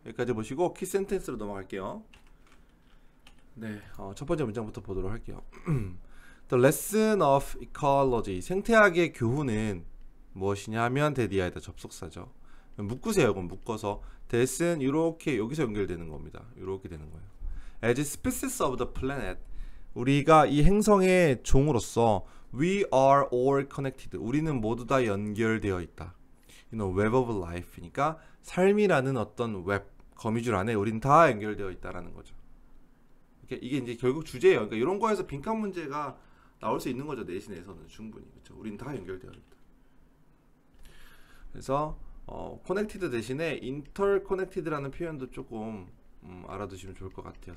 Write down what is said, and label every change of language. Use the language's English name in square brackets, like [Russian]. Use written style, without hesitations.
[Korean] 여기까지 보시고 키 센텐스로 넘어갈게요. 네, 첫 번째 문장부터 보도록 할게요. [English] The lesson of ecology, [Korean] 생태학의 교훈은 무엇이냐면 데디아에다 접속사죠. 묶으세요. 그럼 묶어서 데스는 이렇게 여기서 연결되는 겁니다. 이렇게 되는 거예요. [English] As species of the planet, [Korean] 우리가 이 행성의 종으로서 [English] we are all connected. [Korean] 우리는 모두 다 연결되어 있다. [English] You know, web of life [Korean] 니까 삶이라는 어떤 웹 거미줄 안에 우린 다 연결되어 있다라는 거죠. 이게 이제 결국 주제예요. 그러니까 이런 거에서 빈칸 문제가 나올 수 있는 거죠. 내신에서는 충분히. 그렇죠? 우린 다 연결되어 있다. 그래서 connected 대신에 interconnected라는 표현도 조금 알아두시면 좋을 것 같아요.